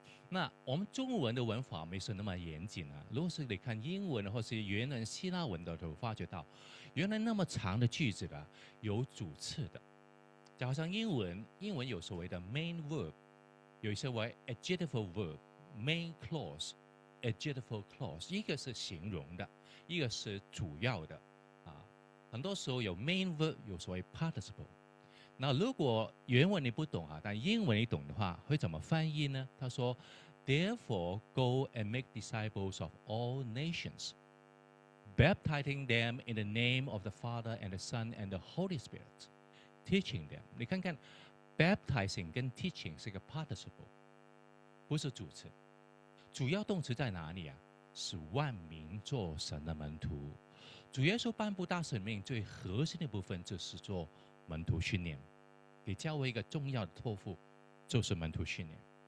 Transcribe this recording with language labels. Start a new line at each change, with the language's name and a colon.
Chinese: 那我们中文的文法没是那么严谨啊，如果是你看英文或是原文希腊文的时候，发觉到原来那么长的句子的有主次的，就好像英文有所谓的 main verb， 有一些为 adjectival verb， main clause， adjectival clause， 一个是形容的，一个是主要的。很多时候有 main verb， 有所谓 participle。那如果原文你不懂啊，但英文你懂的话会怎么翻译呢？他说
English: therefore go and make disciples of all nations baptizing them in the name of the Father and the Son and the Holy Spirit teaching them。
Chinese: 你看看 baptizing 跟 teaching 是个 participle， 不是主词。主要动词在哪里啊？是万民做神的门徒。主耶稣颁布大使命最核心的部分就是做门徒训练，给教会一个重要的托付就是门徒训练。